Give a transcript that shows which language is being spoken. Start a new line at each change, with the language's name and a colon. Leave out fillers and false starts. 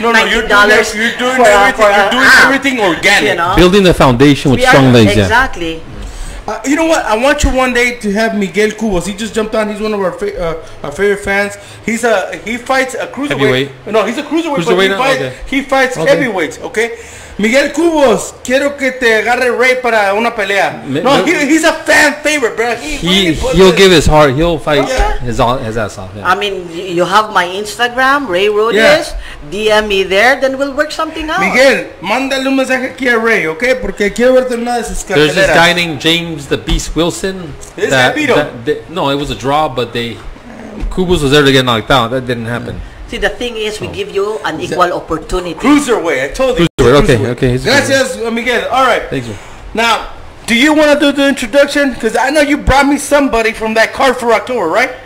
English: You're doing everything. You're doing everything organic. You know? Building the foundation with strong legs. Exactly. You know what? I want you one day to have Miguel Cubos. He just jumped on. He's one of our favorite fans. He's a he fights a cruiserweight. Heavyweight. No, he's a cruiserweight. He fights okay. Heavyweights. Okay.
Spanish: Miguel Cubos, quiero que te agarre Rey para una pelea.
English: He's a fan favorite, bro. He'll give his heart. He'll fight his ass off. Yeah. I mean, you have my Instagram, Rey Rodis. Yeah. DM me there, then we'll work something out.
Spanish: Miguel, mándale un mensaje aquí a Rey, okay? Porque quiero verte una de sus carteras.
English: There's this guy named James the Beast Wilson. No, it was a draw, but Cubos was there to get knocked out. That didn't happen. Yeah. See, the thing is, we give you an equal opportunity. Cruiserweight, I told you. Cruiserweight, okay.
Spanish: Gracias,
English: Miguel. All right. Thank you. Now, do you want to do the introduction? Because I know you brought me somebody from that card for October, right?